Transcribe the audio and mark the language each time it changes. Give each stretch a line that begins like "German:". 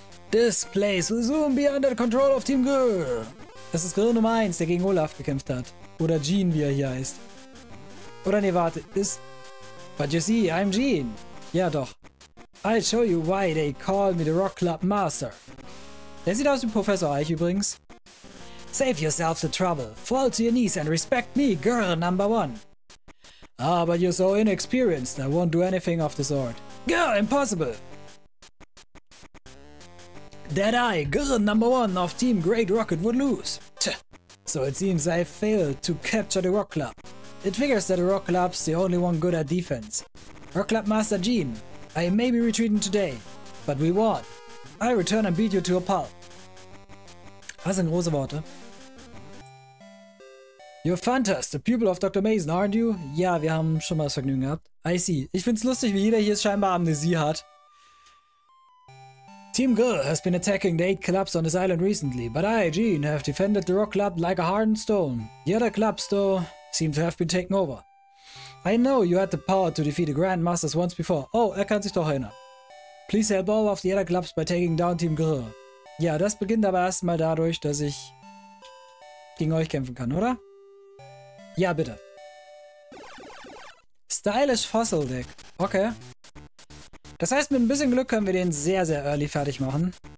English: This place will soon be under the control of Team Girl.
German: Das ist Girl Nummer 1, der gegen Olaf gekämpft hat. Oder Jean, wie er hier heißt. Oder nee, warte.
English: But you see, I'm Jean.
German: Ja, doch.
English: I'll show you why they call me the Rock Club Master.
German: Der sieht aus wie Professor Eich übrigens.
English: Save yourself the trouble. Fall to your knees and respect me, Girl Number 1. Ah, but you're so inexperienced. I won't do anything of the sort. Girl, impossible! That I, Girl Number 1 of Team Great Rocket, would lose. Tch. So it seems I failed to capture the Rock Club. It figures that the Rock Club's the only one good at defense. Rock Club Master Jean, I may be retreating today, but we won. I return and beat you to a pulp.
German: Was sind große Worte?
English: You're Phantas, the pupil of Dr. Mason, aren't you?
German: Ja, wir haben schon mal das Vergnügen gehabt.
English: I see.
German: Ich find's lustig, wie jeder hier scheinbar Amnesie hat.
English: Team Girl has been attacking the 8 clubs on this island recently, but I, Jean, have defended the Rock Club like a hardened stone. The other clubs, though, seem to have been taken over. I know you had the power to defeat the Grand Masters once before.
German: Oh, kann sich doch erinnern.
English: Please help all of the other clubs by taking down Team Girl.
German: Ja, das beginnt aber erstmal dadurch, dass ich gegen euch kämpfen kann, oder? Ja, bitte. Stylish Fossil Deck. Okay. Das heißt, mit ein bisschen Glück können wir den sehr, sehr early fertig machen.